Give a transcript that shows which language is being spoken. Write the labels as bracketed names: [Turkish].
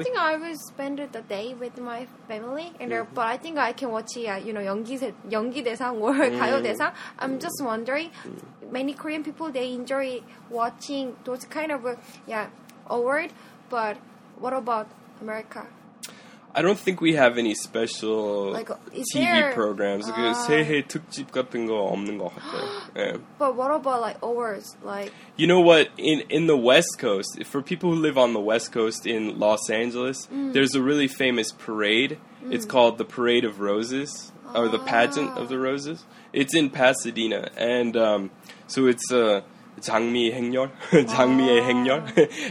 [English] I think I will spend the day with my family. And but I think I can watch, you know, 연기 대상 or 가요 대상. I'm just wondering, many Korean people, they enjoy watching those kind of, award. But what about America? I don't think we have any special TV programs. [Korean] 새해 특집 같은 거 없는 것 같아요. [English] But what about like awards? Like, you know what? In the West Coast, for people who live on the West Coast in Los Angeles, there's a really famous parade. It's called the Parade of Roses, or the Pageant of the Roses. It's in Pasadena. And so it's [Korean] 장미 행렬, 장미의 행렬.